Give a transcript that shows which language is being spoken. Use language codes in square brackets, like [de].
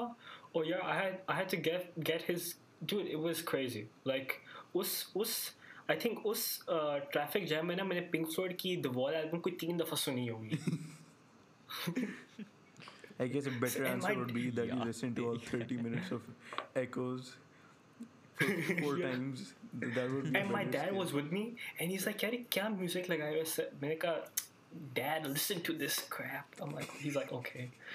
[en] Oh yeah, I had to get his dude. It was crazy. Like us. [ur] I think اس [en] traffic jam [ur] میں نا میں نے Pink Floyd کی The Wall album کوئی [en] 3 times [ur] سنی ہوگی۔ [en] I guess a better answer would be that you listen to all 30 minutes of Echoes four times. That would be. And my dad was with me, and he's like, [ur] "یاری، کیا music لگایا ہے؟" [en] I said, [ur] "میں نے کہا، [en] Dad, listen to this crap." I'm like, he's like, "Okay."